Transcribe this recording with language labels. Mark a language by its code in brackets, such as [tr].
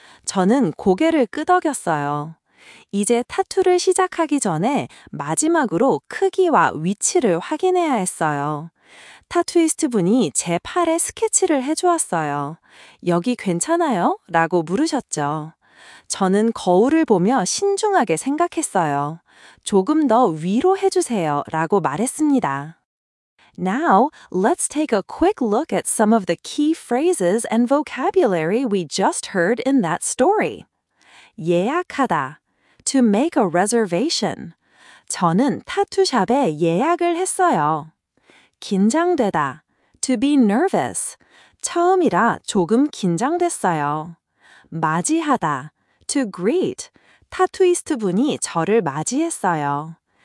[ko] 저는 고개를 끄덕였어요. 이제 타투를 시작하기 전에 마지막으로 크기와 위치를 확인해야 했어요. 타투이스트 분이 제 팔에 스케치를 해주었어요. 여기 괜찮아요? 라고 물으셨죠. 저는 거울을 보며 신중하게 생각했어요. 조금 더 위로 해주세요. 라고 말했습니다. [en] Now, let's take a quick look at some of the key phrases and vocabulary we just heard in that story. 예약하다. To make a reservation. [ko] 저는 타투샵에 예약을 했어요. [en] 긴장되다. To be nervous. [ko] 처음이라 조금 긴장됐어요. [en] 맞이하다. To greet. [ko] 타투이스트 분이 저를 맞이했어요.